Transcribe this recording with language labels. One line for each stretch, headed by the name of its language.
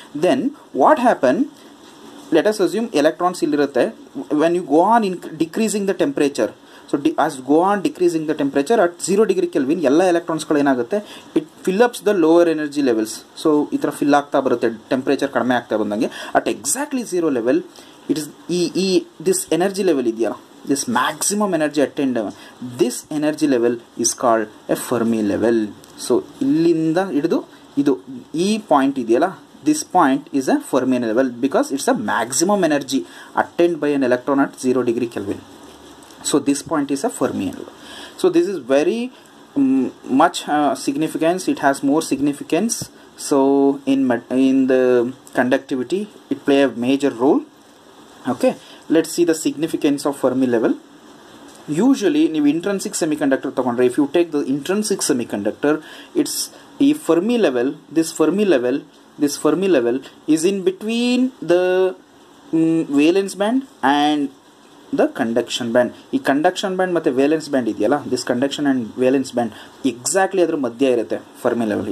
English: then what happen, let us assume electrons
Kannada: ಇಲ್ಲಿರುತ್ತೆ.
English: when you go on in decreasing the temperature, so as go on decreasing the temperature at 0 degree Kelvin,
Kannada: ಎಲ್ಲ ಎಲೆಕ್ಟ್ರಾನ್ಸ್ಗಳು ಏನಾಗುತ್ತೆ?
English: It fill ups the lower energy levels.
Kannada: So ಈ ಥರ fill ಆಗ್ತಾ ಬರುತ್ತೆ, temperature ಕಡಿಮೆ ಆಗ್ತಾ ಬಂದಂಗೆ.
English: at exactly 0 level, it is ಈ this energy level
Kannada: ಇದೆಯಲ್ಲ,
English: this maximum energy attained, this energy level is called a Fermi level. So
Kannada: illinda idu idu ee point idiyala,
English: this point is a Fermi level because it's a maximum energy attained by an electron at 0 degree Kelvin. So this point is a Fermi level. So this is very much significance, it has more significance. So in the conductivity it play a major role. Okay, let's see the significance of Fermi level.
Kannada: Usually ನೀವು intrinsic semiconductor ತೊಗೊಂಡ್ರೆ,
English: If you take the intrinsic semiconductor, it's ಈ Fermi level, this Fermi level is in between the valence band and the conduction band.
Kannada: ಈ conduction band ಮತ್ತು valence band ಇದೆಯಲ್ಲ,
English: this conduction and valence band exactly
Kannada: ಅದರ ಮಧ್ಯ ಇರುತ್ತೆ Fermi level.